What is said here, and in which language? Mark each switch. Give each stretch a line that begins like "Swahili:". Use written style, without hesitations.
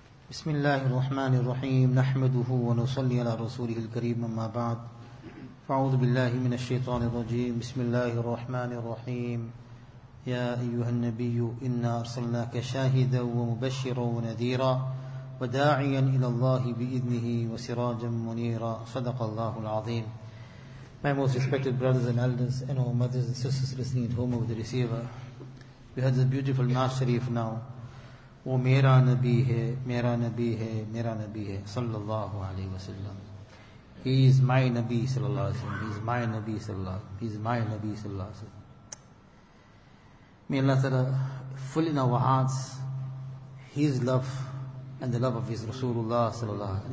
Arabic: بسم الله الرحمن الرحيم نحمده ونصلي على رسوله الكريم أما بعد فأعوذ بالله من الشيطان الرجيم بسم الله الرحمن الرحيم يا أيها النبي إنا أرسلناك شاهدا ومبشرا ونذيرا وداعيا إلى الله بإذنه وسراجا منيرا صدق الله العظيم.
English: My most respected brothers and elders and all mothers and sisters listening at home over the receiver, we had this beautiful Naas Sharif now.
Urdu: وہ میرا نبی ہے میرا نبی ہے میرا نبی ہے صلی اللہ علیہ وسلم.
English: He is my نبی صلی اللہ علیہ وسلم. He is my نبی صلی اللہ علیہ وسلم. He is my نبی صلی اللہ علیہ وسلم. May Allah تعالی fill in our hearts His love and the love of His Rasulullah صلی اللہ علیہ وسلم.